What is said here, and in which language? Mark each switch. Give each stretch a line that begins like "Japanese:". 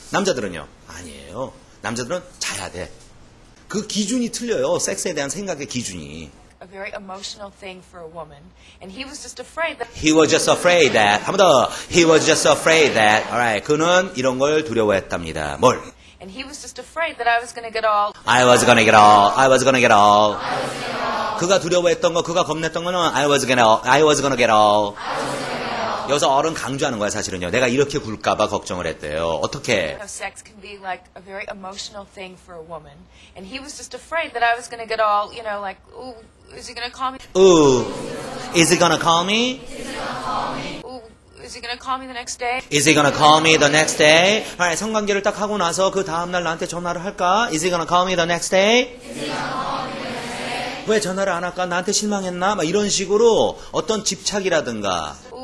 Korean: 남자들은요? 아니에요. 남자들은 자야 돼. 그 기준이 틀려요. 섹스에 대한 생각의 기준이.
English: A very emotional thing for a woman. And he was just afraid that. He was just afraid that.
Korean: 한 번 더.
English: He was just afraid that. Alright.
Korean: 그는 이런 걸 두려워했답니다. 뭘?
English: And he was just afraid that I was gonna get all. I was gonna get all. I was gonna get all. I was gonna get all.
Korean: 그가 두려워했던 거, 그가 겁냈던 거는
English: I was gonna get all.
Korean: 여기서 어른 강조하는 거야 사실은요. 내가 이렇게 굴까봐 걱정을 했대요. 어떻게?
English: Sex can be like a very emotional thing for a woman, and he was just afraid that I was gonna get all, you know, like, ooh, is he gonna call me? Ooh, is he gonna call me? Is he gonna call me? Is he gonna call me the next day? Is he gonna call me the next day?
Korean: 아니, 성관계를 딱 하고 나서 그 다음 날 나한테 전화를 할까?
English: Is he gonna call me the next day? Is he gonna call me the next day?
Korean: 왜 전화를 안 할까? 나한테 실망했나? 막 이런 식으로 어떤 집착이라든가.